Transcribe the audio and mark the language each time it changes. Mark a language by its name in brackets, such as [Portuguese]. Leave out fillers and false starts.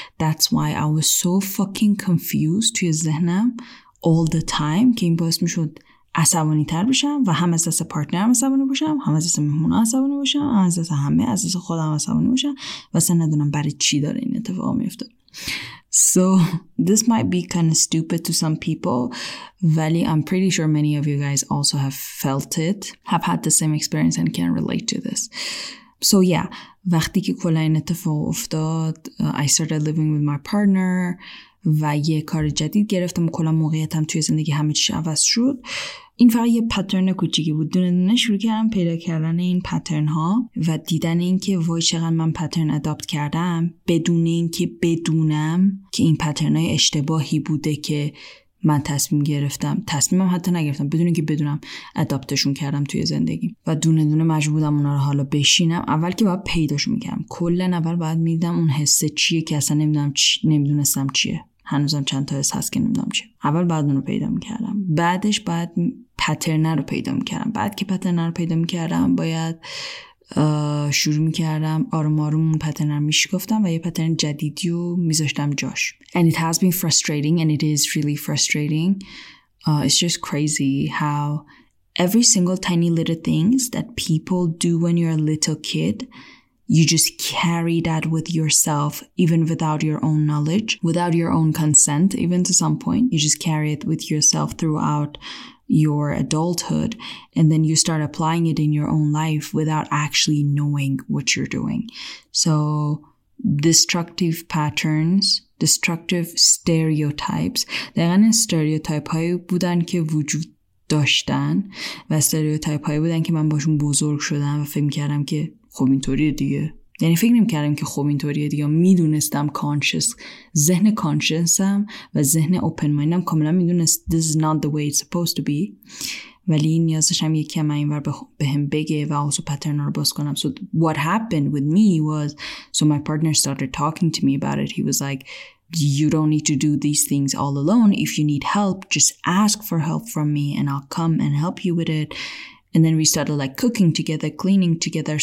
[English] That's why I was so fucking confused [Persian] توی ذهنم [English] all the time، [Persian] که این باعث میشد عصبانی تر بشم و هم از دست پارتنرم عصبانی باشم، هم از دست مهمون عصبانی باشم، هم از دست همه، از دست خودم عصبانی باشم و اصلا ندونم برای چی داره این اتفاق میفته. [English] So this might be kind of stupid to some people, but I'm pretty sure many of you guys also have felt it, have had the same experience and can relate to this. So yeah, [Persian] وقتی که کلا این اتفاق افتاد, [English] I started living with my partner [Persian] و یه کار جدید گرفتم و کلا موقعیتم توی زندگی همه چیش عوض شد. این فقط یه پترن کوچیکی بود. دونه دونه شروع کردم پیدا کردن این پترن ها و دیدن این که وای چقدر من پترن ادابت کردم بدون این که بدونم که این پترن های اشتباهی بوده که من تصمیم گرفتم، تصمیمم حتی نگرفتم، بدون این که بدونم ادابتشون کردم توی زندگی و دونه دونه مجبور بودم اونا رو حالا بشینم. اول که باید پیداشون میکردم، کلا اول باید میدیدم اون حسه چیه که اصلا نمیدونستم چیه، هنوزم چند تا حس هست که نمیدونم چیه. اول بعد اون رو پیدا میکردم، بعدش بعد پترنه رو پیدا میکردم، بعد که پترنه رو پیدا میکردم باید شروع میکردم آروم آروم اون پترنه رو میشکفتم و یه پترن جدیدی رو میذاشتم جاش. [English] And it has been frustrating and it is really frustrating. It's just crazy how every single tiny little things that people do when you're a little kid, you just carry that with yourself, even without your own knowledge, without your own consent, even to some point. You just carry it with yourself throughout your adulthood, and then you start applying it in your own life without actually knowing what you're doing. So destructive patterns, destructive stereotypes. [Persian] دقیقا استریوتایپ هایی بودن که وجود داشتن و استریوتایپ هایی بودن که من باشون بزرگ شدم و فهم کردم که خب اینطوری دیگه، یعنی فکر نمی‌کردم که خب اینطوری دیگه، میدونستم کانشس، ذهن کانشسم و ذهن اوپن مایندم کاملا میدونست [English] this is not the way it's supposed to be، [Persian] ولی نیاز داشتم یه کم اینور به هم بگه و [English] also pattern [Persian] رو باز کنم. [English] So what happened with me was, so my partner started talking to me about it. He was like, you don't need to do these things all alone. If you need help, just ask for help from me and I'll come and help you with it. And then we started like cooking together, cleaning together.